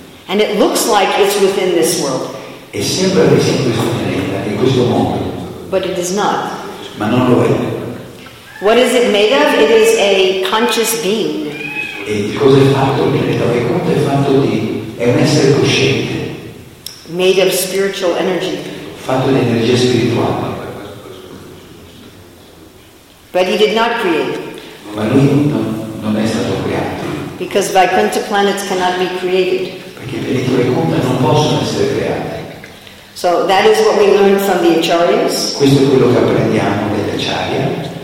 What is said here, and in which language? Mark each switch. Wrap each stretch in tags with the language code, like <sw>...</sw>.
<en>And it looks like it's within this world.</en> <it>E sembra che sia questo pianeta, in questo mondo.</it> <en>But it is not.</en> <it>Ma non lo è.</it> <en>What is it made of? It is a conscious being.</en> <it>E di cosa è fatto il pianeta Vaikuntha? È fatto di un essere cosciente.</it> <en>Made of spiritual energy.</en> <it>Fatto di energia spirituale.</it> <en>But he did not create.</en> <it>Ma lui non è stato creato.</it> <en>Because Vaikuntha planets cannot be created.</en> <it>Perché i pianeti Vaikuntha non possono essere creati.</it> <en>So that is what we learn from the Acharyas.</en> <it>Questo è quello che apprendiamo dagli Acharya.</it>